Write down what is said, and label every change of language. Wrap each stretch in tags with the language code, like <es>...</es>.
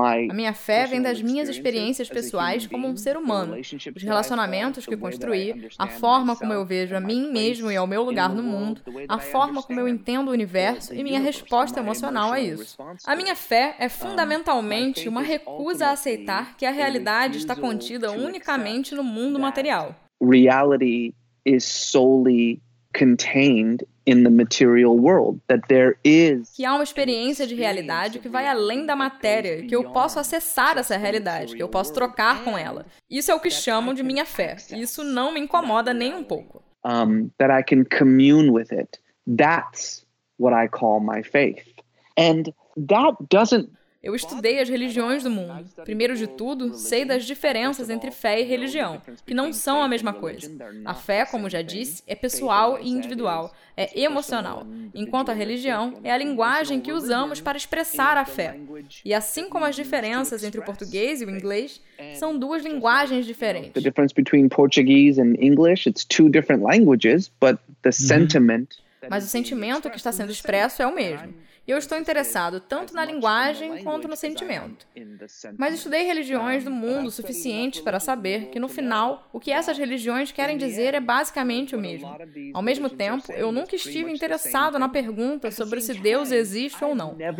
<pt>A minha fé vem das minhas experiências pessoais como um ser humano, os relacionamentos que construí, a forma como eu vejo a mim mesmo e ao meu lugar no mundo, a forma como eu entendo o universo e minha resposta emocional a isso. A minha fé é fundamentalmente uma recusa a aceitar que a realidade está contida unicamente no mundo material.</pt> <en>Reality is solely contained in the material world, that there is.</en> <pt>Que há uma experiência de realidade que vai além da matéria, que eu posso acessar essa realidade, que eu posso trocar com ela. Isso é o que chamo de minha fé. Isso não me incomoda nem um pouco.</pt> <en>That I can commune with it. That's what I call my faith. And that doesn't.</en> <pt>Eu estudei as religiões do mundo. Primeiro de tudo, sei das diferenças entre fé e religião, que não são a mesma coisa. A fé, como já disse, é pessoal e individual, é emocional, enquanto a religião é a linguagem que usamos para expressar a fé. E assim como as diferenças entre o português e o inglês, são duas linguagens diferentes.</pt> <en>The difference between Portuguese and English, it's two different languages, but the sentiment.</en> <pt>Mas o sentimento que está sendo expresso é o mesmo. E eu estou interessado tanto na linguagem quanto no sentimento. Mas estudei religiões do mundo o suficiente para saber que, no final, o que essas religiões querem dizer é basicamente o mesmo. Ao mesmo tempo, eu nunca estive interessado na pergunta sobre se Deus existe ou não.</pt>